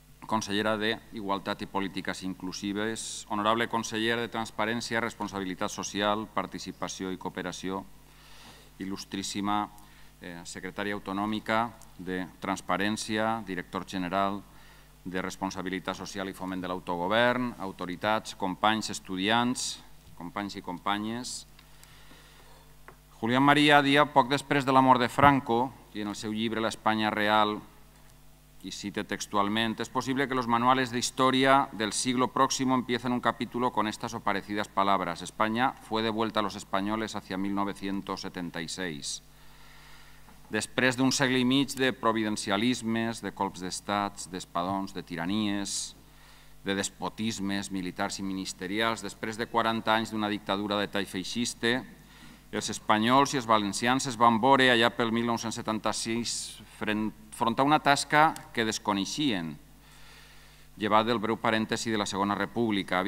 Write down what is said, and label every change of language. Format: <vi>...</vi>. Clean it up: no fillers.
<ca>consellera d'Igualtat i Polítiques Inclusives, honorable consellera de Transparència, Responsabilitat Social, Participació i Cooperació, il·lustríssima secretària autonòmica de Transparència, director general de Responsabilitat Social i Foment de l'Autogovern, autoritats, companys, estudiants, companys i companyes. Julián María, poc després de la mort de Franco i en el seu llibre L'Espanya Real,</ca> <es>y cite textualmente, es posible que los manuales de historia del siglo próximo empiecen un capítulo con estas o parecidas palabras. España fue devuelta a los españoles hacia 1976.</es> <ca>Després d'un segle i mig de providencialismes, de colps d'estats, d'espadons, de tiranies, de despotismes militars i ministerials, després de 40 anys d'una dictadura de tall feixiste, els espanyols i els valencians es van veure allà pel 1976 front a una tasca que desconeixien, llevat del breu parèntesi de la Segona República.</ca>